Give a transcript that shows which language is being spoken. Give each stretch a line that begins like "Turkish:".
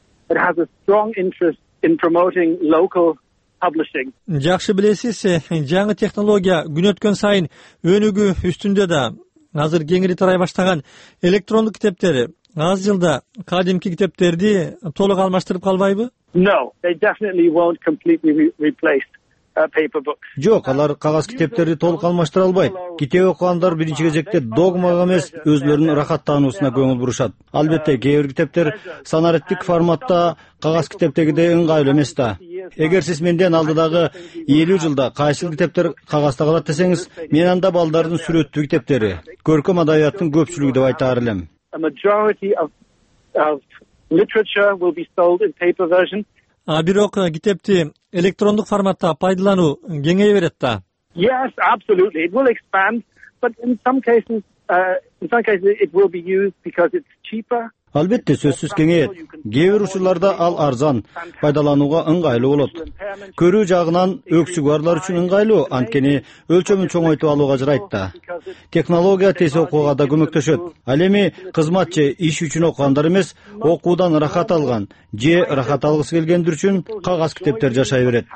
English: It has a strong interest in promoting local publishing.
Kyrgyz: Жакшы билесиз, жаңы технология күнөткөн сайын өнүгүү үстүндө да азыр кеңири тарай баштаган электрондук китептер аз жылда кадимки китептерди толук алмаштырып калбайбы?
English: No, they definitely won't completely replace paper books.
Kyrgyz: Жок, алар кагаз китептерди толук алмаштыра албайт. Китеп окугандар биринчи кезекте догмага эмес, өзлөрүн рахаттануусуна көңүл бурушат. Албетте, кээ бир китептер санариттик форматта кагаз китептегидей ыңгайлуу эмес да. Эгер сиз менден алдыдагы 50 жылда кайсыл китептер кагазда калат десеңиз, мен анда балдардын сүрөттүү китептери, көркөм адабияттын көпчүлүгү деп айтаар элем.
English: A majority of literature will be sold in paper version.
Kyrgyz: Бирок китепти электрондук форматта пайдалануу кеңейе берет да.
English: Yes, absolutely. It will expand, but in some cases it will be used because it's cheaper.
Kyrgyz: Албетте, сөзсүз кеңейет. Кээ бир учурларда ал арзан, пайдаланууга ыңгайлуу болот. Көрүү жагынан өксүк барлар үчүн ыңгайлуу, анткени өлчөмүн чоңойтуп алууга жарайт да. Технология тез окууга да көмөктөшөт. Ал эми кызматчы иш үчүн окугандар эмес, окуудан рахат алган же рахат алгысы келгендер үчүн кагаз китептер жашай берет.